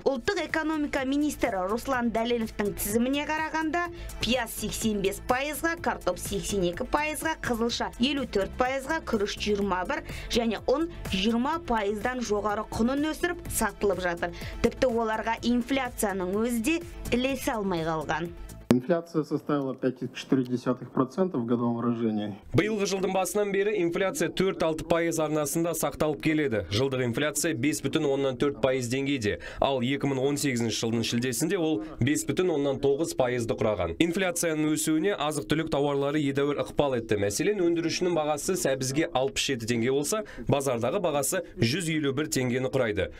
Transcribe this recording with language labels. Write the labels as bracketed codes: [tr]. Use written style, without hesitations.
[kk] Ұлттық экономика министрі Руслан Дәленовтің тізіміне қарағанда пияз 85%, картоп 82%, қызылша 54%, күріш 21% және ұн 20%-дан жоғары құнын өсіріп сатылып жатыр. Тіпті оларға инфляцияның өзде ілесе алмай қалған. [ru] Инфляция составила 5,4% в годовом выражении. [kk] Биылғы жылдың басынан бері инфляция 4-6% арнасында сақталып келеді. Жылдық инфляция 5,4% деңгейде. Ал 2018 жылдың шілдесінде ол 5,9% құраған. Инфляцияның өсуіне азық-түлік тауарлары едәуір ықпал етті. Мәселен, өндірушінің бағасы сәбізге 67 теңге болса, базардағы бағасы 151 теңгені құрайды.